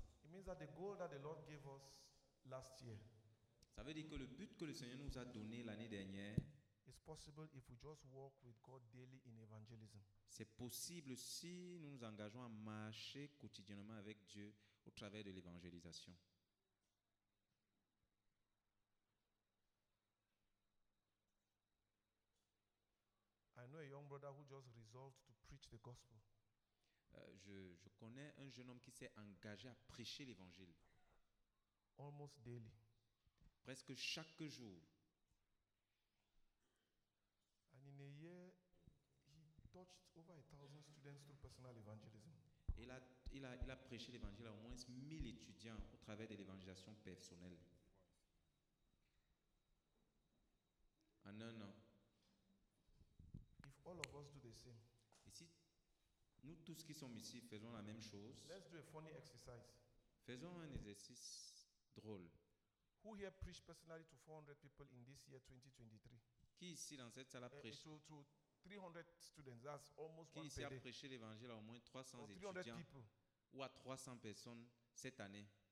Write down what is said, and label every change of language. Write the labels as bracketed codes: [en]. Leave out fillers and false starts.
[en] It means that the goal that the Lord gave us last year. [fr] Ça veut dire que le but que le Seigneur nous a donné l'année dernière. [en] It's possible if we just walk with God daily in evangelism. [fr] C'est possible si nous nous engageons à marcher quotidiennement avec Dieu au travers de l'évangélisation. [en] I know a young brother who just resolved to preach the gospel. [fr] Je connais un jeune homme qui s'est engagé à prêcher l'évangile. [en] Almost daily. [fr] Presque chaque jour. [en] And in a year, he touched over 1,000 students through personal evangelism. [fr] Il a prêché l'évangile à au moins 1,000 étudiants au travers de l'évangélisation personnelle. En un an. [en] If all of us do the same. [fr] Et si nous tous qui sommes ici faisons la même chose. [en] Let's do a funny exercise. [fr] Faisons un exercice drôle. [en] Who here preached personally to 400 people in this year 2023? [fr] Qui ici dans cette salle a prêché? [en] To 300 students, that's almost [fr] qui [en] one [fr] ici a prêché l'évangile à au moins 300 [en] or [fr] étudiants [en] people. [fr] Ou à 300 personnes cette année?